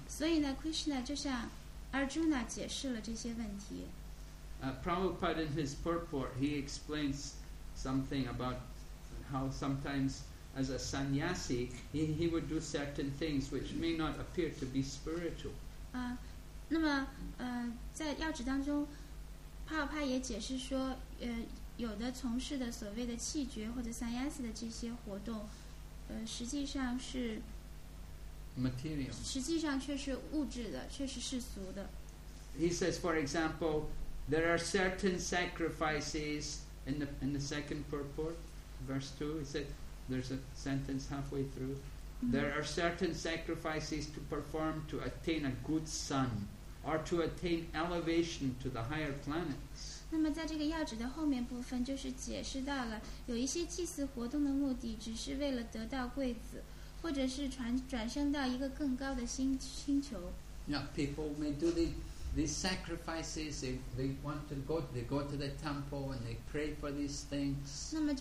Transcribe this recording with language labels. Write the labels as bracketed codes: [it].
[zh] 所以呢, Krishna 就向 Arjuna 解释了这些问题。 [en] Prabhupada in his purport, he explains something about how sometimes as a sannyasi, he would do certain things which may not appear to be spiritual. [zh] 那么, 在药旨当中, 帕帕也解释说, 有的从事的所谓的弃绝或者sannyasi的这些活动, 实际上是 [en] material. [zh] 实际上却是物质的, 却是世俗的。 [en] He says, for example, there are certain sacrifices in the second purport, verse 2, he said, there's a sentence halfway through. Mm-hmm. There are certain sacrifices to perform to attain a good son or to attain elevation to the higher planet. [zh] 那么在这个要旨的后面部分，就是解释到了有一些祭祀活动的目的，只是为了得到贵子，或者是转生到一个更高的星球。Yeah, [en] people may do these sacrifices. They want to go. They go to the temple and they pray for these things.